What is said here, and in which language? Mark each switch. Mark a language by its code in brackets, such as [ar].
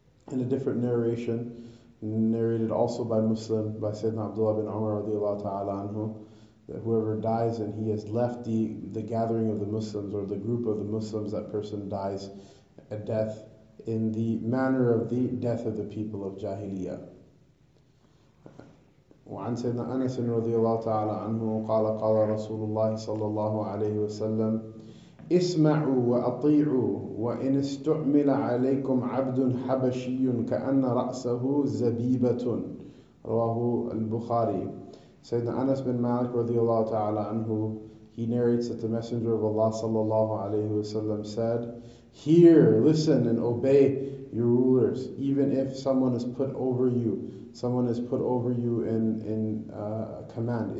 [en] In a different narration, narrated also by Muslim, by Sayyidina Abdullah bin Umar radiallahu ta'ala anhu, that whoever dies and he has left the gathering of the Muslims or the group of the Muslims, that person dies a death in the manner of the death of the people of Jahiliyyah. [ar] وعن سيدنا أنس رضي الله تعالى عنه قال قال رسول الله صلى الله عليه وسلم اسمعوا وأطيعوا وإن استعمل عليكم عبد حبشي كأن رأسه زبيبة رواه البخاري. [en] سيدنا أنس بن مالك رضي الله تعالى عنه, he narrates that the Messenger of Allah صلى الله عليه وسلم said, hear, listen, and obey your rulers, even if someone is put over you. Someone is put over you in command.